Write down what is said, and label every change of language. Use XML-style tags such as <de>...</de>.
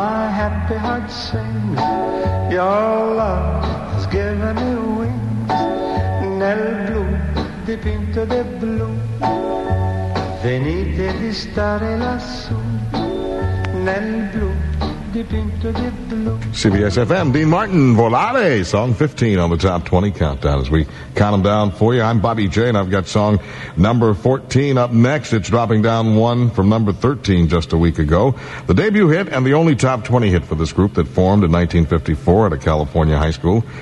<en>Your love has given me wings.</en> <it>Nel blu dipinto di blu venite di stare lassù. Nel blu dipinto di blu.</it> <en>CBS FM, Dean Martin, Volare, Song 15 on the Top 20 Countdown. As we count them down for you, I'm Bobby J, and I've got song number 14 up next. It's dropping down one from number 13 just a week ago. The debut hit and the only Top 20 hit for this group that formed in 1954 at a California high school.</en>